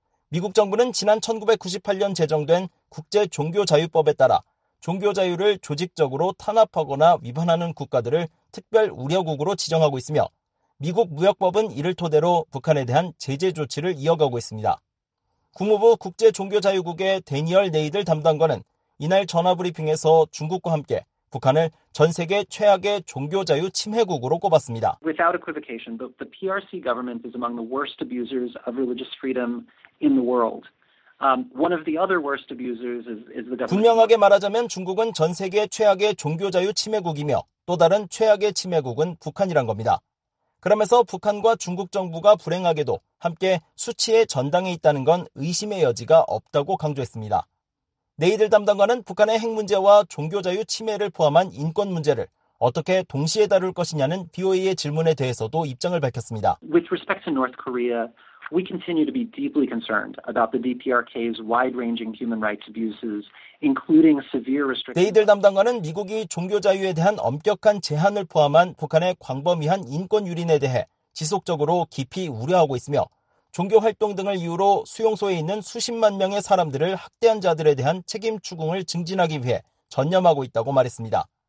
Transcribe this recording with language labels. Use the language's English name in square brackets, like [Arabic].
[Korean] 미국 정부는 지난 1998년 제정된 국제종교자유법에 따라 종교 자유를 조직적으로 탄압하거나 위반하는 국가들을 특별 우려국으로 지정하고 있으며 미국 무역법은 이를 토대로 북한에 대한 제재 조치를 이어가고 있습니다. 국무부 국제종교자유국의 대니얼 네이들 담당관은 이날 전화브리핑에서 중국과 함께 북한을 전 세계 최악의 종교 자유 침해국으로 꼽았습니다. [English] Without equivocation, the PRC government is among the worst abusers of religious freedom in the world. One of the other worst abusers is the government. [Korean] 분명하게 말하자면 중국은 전 세계 최악의 종교 자유 침해국이며 또 다른 최악의 침해국은 북한이란 겁니다. 그러면서 북한과 중국 정부가 불행하게도 함께 수치에 전당해 있다는 건 의심의 여지가 없다고 강조했습니다. 네이들 담당관은 북한의 핵 문제와 종교자유 침해를 포함한 인권 문제를 어떻게 동시에 다룰 것이냐는 BOA의 질문에 대해서도 입장을 밝혔습니다. [English] With respect to North Korea, we continue to be deeply concerned about the DPRK's wide-ranging human rights abuses, including severe restrictions. [Korean] 네이들 담당관은 미국이 종교 자유에 대한 엄격한 제한을 포함한 북한의 광범위한 인권 유린에 대해 지속적으로 깊이 우려하고 있으며 종교 활동 등을 이유로 수용소에 있는 수십만 명의 사람들을 학대한 자들에 대한 책임 추궁을 증진하기 위해 전념하고 있다고 말했습니다.